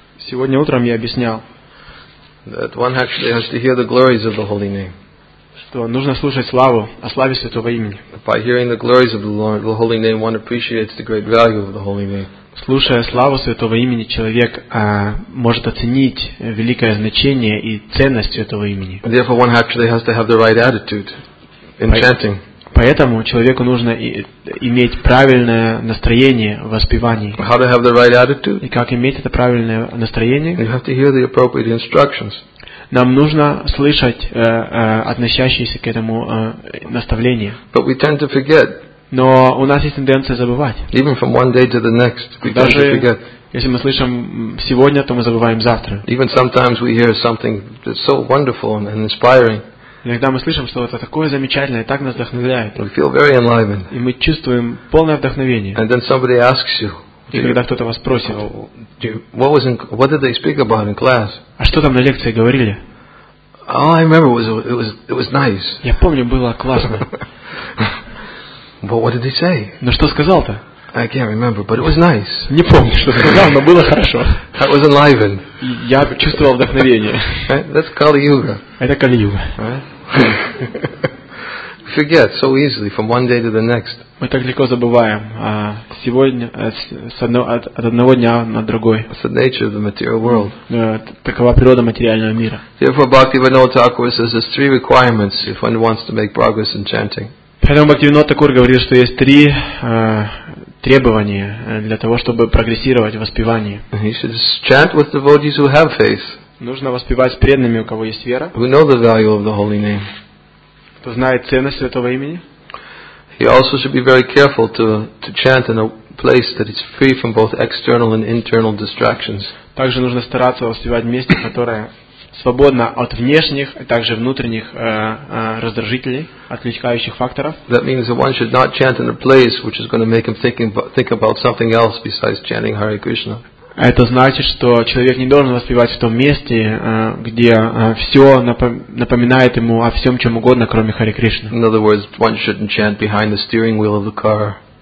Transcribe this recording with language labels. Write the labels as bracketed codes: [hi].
[ru] Сегодня утром я объяснял, что нужно слушать славу о славе Святого Имени. [en] By hearing the glories of the Holy Name, one appreciates the great value of the Holy Name. [ru] Слушая славу Святого Имени, человек может оценить великое значение и ценность Святого Имени. [en] Therefore, one actually has to have the right attitude in chanting. [ru] Поэтому человеку нужно иметь правильное настроение в воспевании. [en] How to have the right attitude? [ru] И как иметь это правильное настроение? [en] You have to hear the appropriate instructions. [ru] Нам нужно слышать относящиеся к этому наставления. [en] But we tend to forget. [ru] Но у нас есть тенденция забывать. [en] Even from one day to the next, we [ru] даже [en] tend to forget. [ru] Если мы слышим сегодня, то мы забываем завтра. [en] Even sometimes we hear something that's so wonderful and inspiring. [ru] Иногда мы слышим, что это такое замечательное, так нас вдохновляет. [en] We feel very enlivened. [ru] И мы чувствуем полное вдохновение. [en] And then somebody asks you. [ru] И когда кто-то вас спросит, [en] what did they speak about in class? [ru] А что там на лекции говорили? [en] Oh, I remember it was nice. [ru] Я помню, было классно. [en] But what did he say? [ru] Но что сказал-то? [en] I can't remember, but it was nice. [ru] Не помню, что сказал, но было хорошо. [en] I was enlivened. [ru] Я чувствовал вдохновение. [en] That's Kali Yuga. [ru] Это Кали-юга. [en] Forget so easily from one day to the next. [ru] Мы так легко забываем. Сегодня от одного дня на другой. [en] It's the nature of the material world. [ru] Такова природа материального мира. [en] Therefore, Bhaktivinoda Thakur says there's three requirements if one wants to make progress in chanting. [ru] Поэтому Бхактивинода Такур говорит, что есть три требования для того, чтобы прогрессировать в воспевании. [en] You should chant with devotees who have faith. [ru] Нужно воспевать с преданными, у кого есть вера. [en] Who know the value of the holy name. [ru] Кто знает ценность Святого Имени. [en] He also should be very careful to chant in a place that is free from both external and internal distractions. [ru] Также нужно стараться воспевать в месте, которое свободно от внешних, а также внутренних раздражителей, отвлекающих факторов. [en] That means that one should not chant in a place which is going to make him think about something else besides chanting Hare Krishna. [ru] Это значит, что человек не должен воспевать в том месте, где все напоминает ему о всем чем угодно, кроме Хари Кришны. [en] In other words, one shouldn't chant behind the steering wheel of the car.